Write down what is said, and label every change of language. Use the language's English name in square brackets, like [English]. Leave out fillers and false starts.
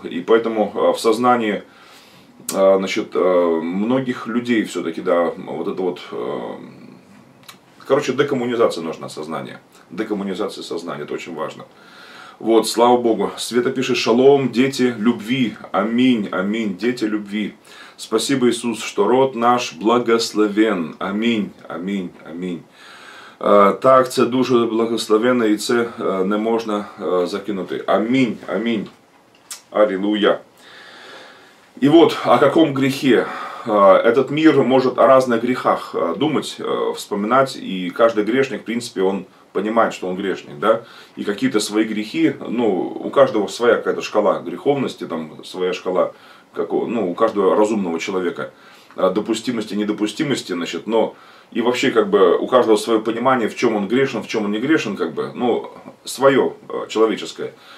[Russian] И поэтому в сознании, значит, многих людей все-таки, да, вот это вот, короче, декоммунизация нужна сознания. Декоммунизация сознания, это очень важно. Вот, слава Богу. Света пишет: «Шалом, дети любви». Аминь, аминь, дети любви. Спасибо, Иисус, что род наш благословен. Аминь, аминь, аминь. [Ukrainian] Так, це дуже благословенно, и це не можна закинути. [Russian] Аминь, аминь. Аллилуйя. И вот, о каком грехе этот мир может о разных грехах думать, вспоминать, и каждый грешник, в принципе, он понимает, что он грешник, да, и какие-то свои грехи, ну, у каждого своя какая-то шкала греховности, там, своя шкала, как у, ну, у каждого разумного человека, допустимости, недопустимости, значит, но, и вообще, как бы, у каждого свое понимание, в чем он грешен, в чем он не грешен, как бы, ну, свое, человеческое.